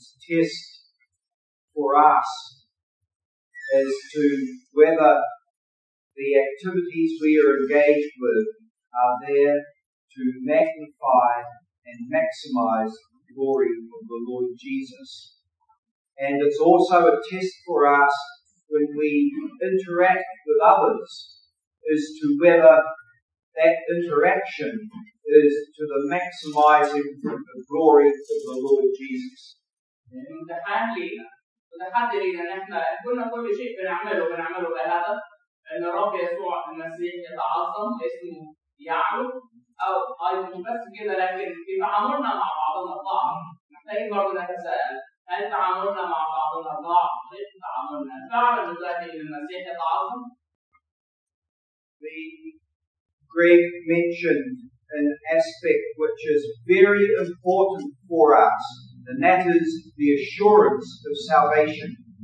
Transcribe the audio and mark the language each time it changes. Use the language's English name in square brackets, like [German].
[English] Test for us as to whether the activities we are engaged with are there to magnify and maximize the glory of the Lord Jesus. And it's also a test for us when we interact with others as to whether that interaction is to the maximizing of the glory of the Lord Jesus. [Arabic] امتحان لينا وتحدي لينا ان احنا كنا كل شيء بنعمله بنعمله بهدف ان الرب يسوع المسيح يتعظم اسمه يعلو او ايضا بس كده، لكن في تعاملنا مع بعضنا البعض محتاجين برضه نتساءل هل تعاملنا مع بعضنا البعض غير تعاملنا فعلا دلوقتي ان المسيح يتعظم؟ [English] Greg mentioned an aspect which is very important for us, and that is the assurance of salvation.